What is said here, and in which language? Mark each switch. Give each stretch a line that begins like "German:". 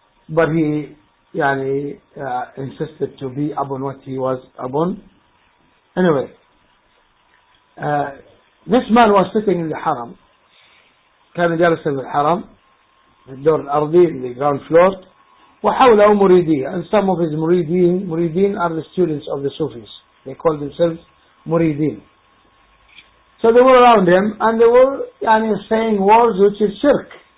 English: But he yani insisted to be Abun what he was Abun. Anyway, this man was sitting in the Haram.
Arabic: كان جالس في الحرم الدور الأرضي
English: the ground floor
Arabic: وحوله مريدين.
English: And some of his مريدين are the students of the Sufis. They call themselves مريدين. So they were around him and they were
Arabic: يعني,
English: saying words which is shirk.